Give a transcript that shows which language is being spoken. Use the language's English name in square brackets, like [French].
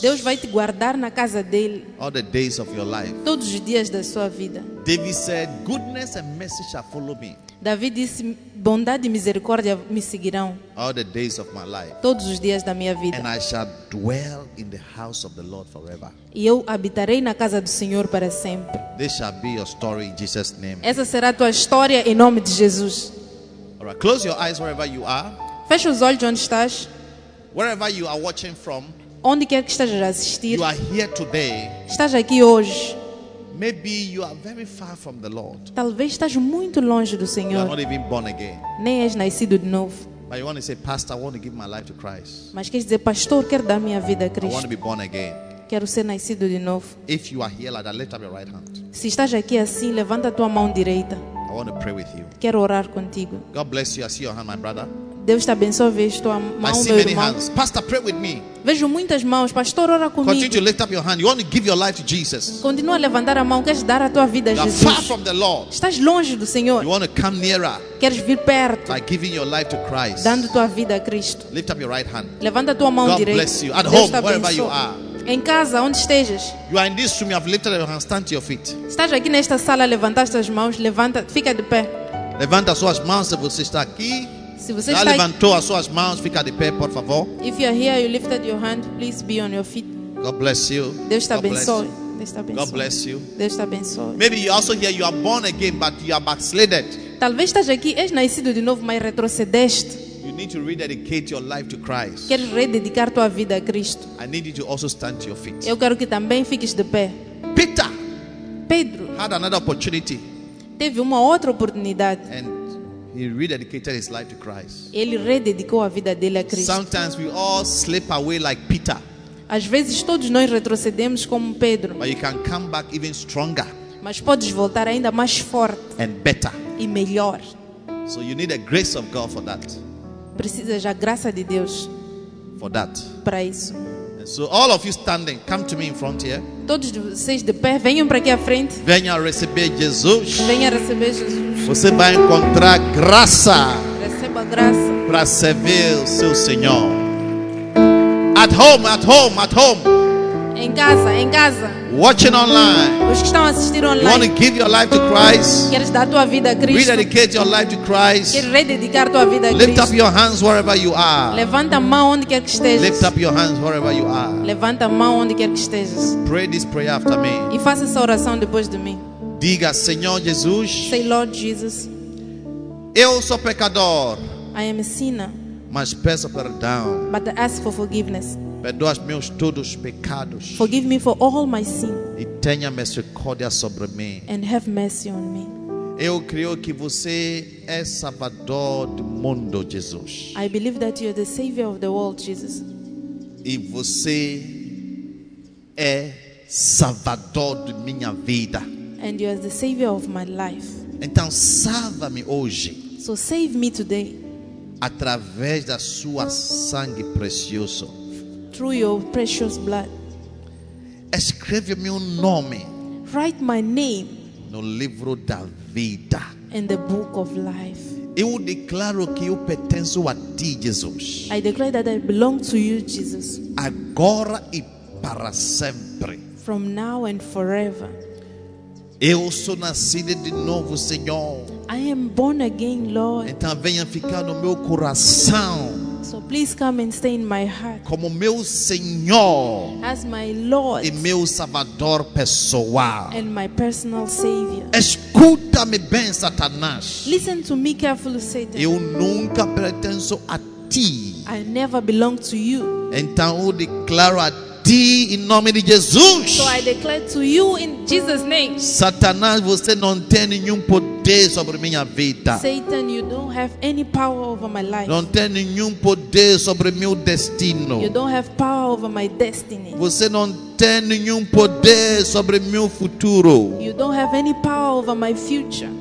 [Portuguese] Deus vai te guardar na casa dele. [English] All the days of your life. [Portuguese] Todos os dias da sua vida. [English] David said, "Goodness and mercy shall follow me." [Portuguese] David disse, bondade e misericórdia me seguirão. [English] All the days of my life. [Portuguese] Todos os dias da minha vida. [English] And I shall dwell in the house of the Lord forever. [Portuguese] E eu habitarei na casa do Senhor para sempre. [English] This shall be your story in Jesus' name. [Portuguese] Essa será a tua história em nome de Jesus. [English] All right, close your eyes wherever you are. [Portuguese] Feche os olhos onde estás. [English] Wherever you are watching from, [Portuguese] onde quer que estejas a assistir, [English] you are here today. [Portuguese] Estás aqui hoje. [English] Maybe you are very far from the Lord. [Portuguese] Talvez estás muito longe do Senhor. [English] You are not even born again. [Portuguese] Nem és nascido de novo. [English] But you want to say, Pastor, I want to give my life to Christ. [Portuguese] Mas queres dizer, Pastor, quero dar minha vida a Cristo. [English] I want to be born again. [Portuguese] Quero ser nascido de novo. [English] If you are here like that, lift up your right hand. [Portuguese] Se estás aqui assim, levanta a tua mão direita. [English] I want to pray with you. [Portuguese] Quero orar contigo. [English] God bless you. I see your hand, my brother. [Portuguese] Deus te abençoe, vejo tua mão, [English] I see [Portuguese] meu [English] many [Portuguese] irmão. [English] Hands. Pastor, pray with me. [Portuguese] Vejo muitas mãos. Pastor, ora comigo. [English] Continue to lift up your hand. You want to give your life to Jesus. [Portuguese] Continua a levantar a mão. Queres dar a tua vida a Jesus. [English] You are far from the Lord. [Portuguese] Estás longe do Senhor. [English] You want to come nearer. [Portuguese] Queres vir perto. [English] By giving your life to Christ. [Portuguese] Dando tua vida a Cristo. [English] Lift up your right hand. [Portuguese] Levanta a tua mão [English] God [Portuguese] direita. [English] God bless you. At home, wherever you are. [Portuguese] Em casa, onde estejas. [English] You are in this room. You have lifted your hands. Stand to your feet. [Portuguese] Estás aqui nesta sala. Levantaste as mãos. Levanta. Fica de pé. Levanta as suas mãos se você está aqui. Se você já levantou as suas mãos, fica de pé, por favor. [English] If you are here, you lifted your hand, please be on your feet. God bless you. [Portuguese] Deus te abençoe. [English] God bless you. [Portuguese] Deus te abençoe. [English] Maybe you also here, you are born again, but you are backslided. [Portuguese] Talvez estás aqui, és nascido de novo, mas retrocedeste. [English] You need to rededicate your life to Christ. [Portuguese] Queres rededicar tua vida a Cristo. [English] I need you to also stand to your feet. [Portuguese] Eu quero que também fiques de pé. [English] Peter. [Portuguese] Pedro. [English] Had another opportunity. [Portuguese] Teve uma outra oportunidade. [English] And he rededicated his life to Christ. [Portuguese] Ele rededicou a vida dele a Cristo. [English] Sometimes we all slip away like Peter. [Portuguese] Às vezes todos nós retrocedemos como Pedro. [English] But you can come back even stronger. [Portuguese] Mas podes voltar ainda mais forte. [English] And better. [Portuguese] E melhor. [English] So you need the grace of God for that. [Portuguese] Precisas da graça de Deus. [English] For that. [Portuguese] Para isso. [English] And so all of you standing, come to me in front here. [Portuguese] Todos vocês de pé, venham para aqui à frente. Venha receber Jesus. Venha receber Jesus. Você vai encontrar graça. Receba graça. Para servir o seu Senhor. [English] At home, at home, at home. [Portuguese] Em casa, em casa. [English] Watching online. [Portuguese] Os que estão assistindo online. [English] You want to give your life to Christ. [Portuguese] Queres dar tua vida a Cristo. [English] Rededicate your life to Christ. [Portuguese] Queres rededicar tua vida a Cristo. [English] Lift up your hands wherever you are. [Portuguese] Levanta a mão onde quer que estejas. [English] Lift up your hands wherever you are. [Portuguese] Levanta a mão onde quer que estejas. [English] Pray this prayer after me. [Portuguese] E faça essa oração depois de mim. Diga, Senhor Jesus. [English] Say, Lord Jesus. [Portuguese] Eu sou pecador. [English] I am a sinner. [Portuguese] Mas peço perdão. [English] But I ask for forgiveness. [Portuguese] Perdoa os meus todos pecados. [English] Forgive me for all my sin. [Portuguese] E tenha misericórdia sobre mim. [English] And have mercy on me. [Portuguese] Eu creio que você é Salvador do mundo, Jesus. [English] I believe that you are the Savior of the world, Jesus. [Portuguese] E você é Salvador de minha vida. [English] And you are the Savior of my life. [Portuguese] Então salva-me hoje. [English] So save me today. [Portuguese] Através da sua sangue precioso. [English] Through your precious blood. [Portuguese] Escreve meu nome. [English] Write my name. [Portuguese] No livro da vida. [English] In the book of life. [Portuguese] Eu declaro que eu pertenço a ti, Jesus. [English] I declare that I belong to you, Jesus. [Portuguese] Agora e para sempre. [English] From now and forever. [Portuguese] Eu sou nascido de novo, Senhor. [English] I am born again, Lord. [Portuguese] Então venha ficar no meu coração. [English] So please come and stay in my heart. [Portuguese] Como meu Senhor. [English] As my Lord. [Portuguese] E meu Salvador pessoal. [English] And my personal Savior. [Portuguese] Escuta-me bem, Satanás. [English] Listen to me carefully, Satan. [Portuguese] Eu nunca pertenço a ti. [English] I never belong to you. [Portuguese] Então eu declaro a ti em nome de Jesus. [English] So I declare to you in Jesus' name. [Portuguese] Satanás, você não tem nenhum poder. Sobre minha vida. [English] Satan, you don't have any power over my life. [Portuguese] Não tem nenhum poder sobre meu destino. [English] You don't have power over my destiny. [Portuguese] Você não tem nenhum poder sobre meu futuro. [English] You don't have any power over my future.